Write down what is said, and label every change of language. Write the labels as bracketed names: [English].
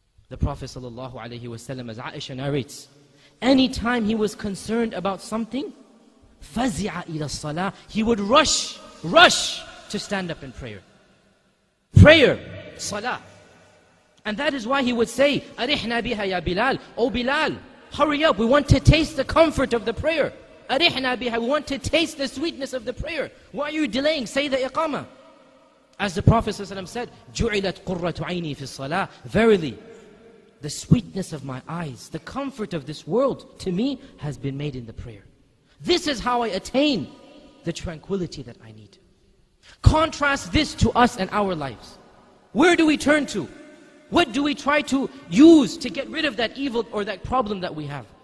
[English] The Prophet ﷺ, as Aisha narrates, any time he was concerned about something, [Arabic] فَزِعَ إِلَى الصَّلَاةِ, [English] he would rush to stand up in prayer. Prayer, salah. And that is why he would say, [Arabic] أَرِحْنَا بِهَا يَا بِلَال. [English] O Bilal, hurry up, we want to taste the comfort of the prayer. [Arabic] أَرِحْنَا بِهَا, [English] we want to taste the sweetness of the prayer. Why are you delaying? Say the iqama. As the Prophet ﷺ said, [Arabic] جُعِلَتْ قُرَّةُ عَيْنِي فِي الصَّلَاةِ. [English] Verily, the sweetness of my eyes, the comfort of this world to me has been made in the prayer. This is how I attain the tranquility that I need. Contrast this to us and our lives. Where do we turn to? What do we try to use to get rid of that evil or that problem that we have?